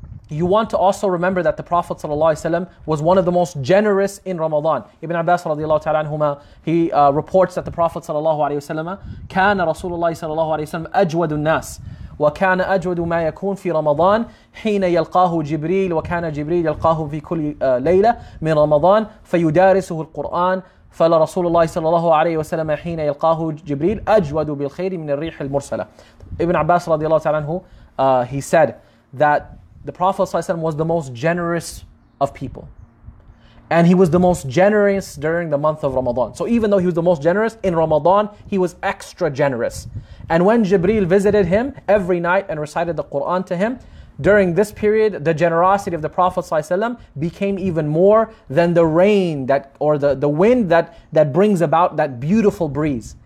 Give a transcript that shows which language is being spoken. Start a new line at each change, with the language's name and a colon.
English: You want to also remember that the Prophet ﷺ was one of the most generous in Ramadan. Ibn Abbas radiallahu ta'ala anhuma, he reports that the Prophet ﷺ
Arabic: كان رسول الله صلى الله عليه وسلم أجود الناس وكان أجود ما يكون في رمضان حين يلقاه جبريل وكان جبريل يلقاه في كل ليلة من رمضان فيدارسه القرآن فلا رسول الله صلى الله عليه وسلم حين يلقاه جبريل أجود بالخير من الريح المرسلة.
English: Ibn Abbas radiallahu ta'ala anhu, he said that the Prophet ﷺ was the most generous of people. And he was the most generous during the month of Ramadan. So even though he was the most generous in Ramadan, he was extra generous. And when Jibreel visited him every night and recited the Quran to him, during this period, the generosity of the Prophet ﷺ became even more than the rain that, or the wind that brings about that beautiful breeze.